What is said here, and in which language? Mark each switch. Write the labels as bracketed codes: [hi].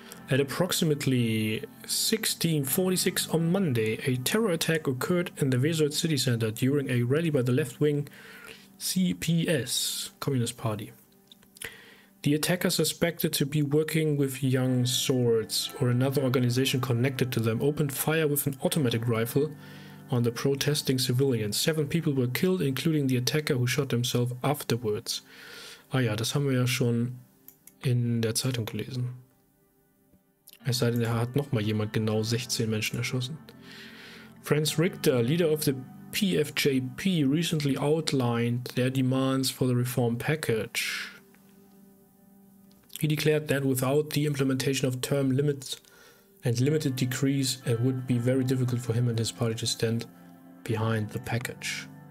[en] At approximately 16:46 on Monday, a terror attack occurred in the Weser city center during a rally by the left-wing CPS, Communist Party. The attacker, suspected to be working with Young Swords or another organization connected to them, opened fire with an automatic rifle on the protesting civilians. 7 people were killed, including the attacker who shot himself afterwards. [de] Ah ja, das haben wir ja schon in der Zeitung gelesen. Es sei denn, er hat nochmal jemand genau 16 Menschen erschossen. [en] Franz Richter, leader of the PFJP, recently outlined their demands for the reform package. He declared that without the implementation of term limits and limited decrees, it would be very difficult for him and his party to stand behind the package.